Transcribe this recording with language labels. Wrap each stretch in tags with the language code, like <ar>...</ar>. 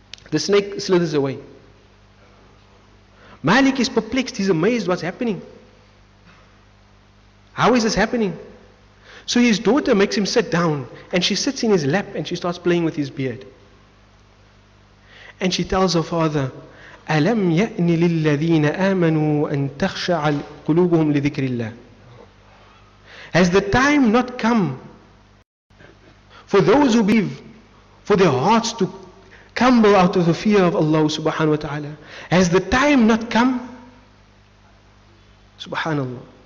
<en>The snake slithers away. Malik is perplexed. He's amazed. What's happening? How is this happening? So his daughter makes him sit down. And she sits in his lap and she starts playing with his beard. And she tells her father,</en> <ar>أَلَمْ يَأْنِ لِلَّذِينَ آمَنُوا أَن تَخْشَعَ قُلُوبُهُمْ لِذِكْرِ اللَّهِ.</ar> <en>Has the time not come for those who believe, for their hearts to crumble out of the fear of Allah subhanahu wa ta'ala? Has the time not come? Subhanallah.</en>